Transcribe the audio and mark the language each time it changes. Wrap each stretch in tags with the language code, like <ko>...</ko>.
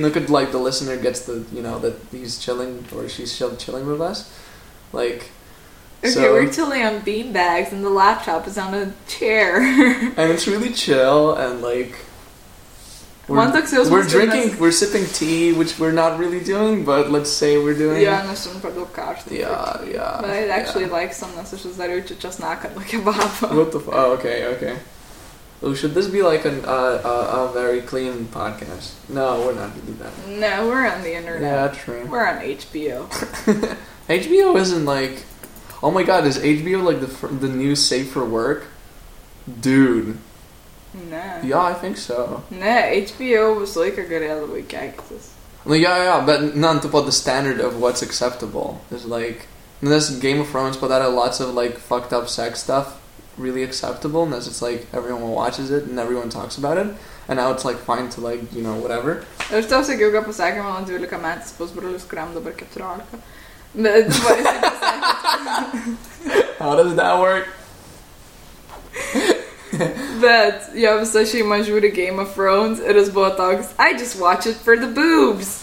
<en>Look at, like, the listener gets the, you know, that he's chilling, or she's chilling with us. Like, okay, so... we're chilling on bean bags, and the laptop is on a chair. And it's really chill, and, like... We're sipping tea, which we're not really doing, but let's say we're doing...</en> <lt>Yeah, nes jums per daug karšta.</lt> <en>Yeah. But I actually like some,</en> <lt>nes aš vis dar jaučiu česnaką nuo kebabo.</lt> <en>What the fuck? Oh, okay. Oh, should this be like a very clean podcast? No, we're not gonna do that. No, we're on the internet. Yeah, true. We're on HBO. HBO isn't like... Oh my god, is HBO like the new safe for work? Dude...</en> <lt>Ne.</lt> <en>Yeah, I think so. Ne, HBO was like a good elderly cactus. Yeah, but not about the standard of what's acceptable. It's like, this Game of Thrones, but that had lots of like fucked up sex stuff really acceptable, and as it's like everyone watches it and everyone talks about it, and now it's like fine to like, you know, whatever.</en> <lt>Aš tau sakiau, ką pasakė mano 12 metais pusbrolis, kuriam dabar 14. Bet dabar jisai</lt> <en>pasakė. How does that work?</en> <lt>Bet jo visa šeima žiūri Game of Thrones ir jis buvo toks,</lt> <en>I just watch it for the boobs.</en>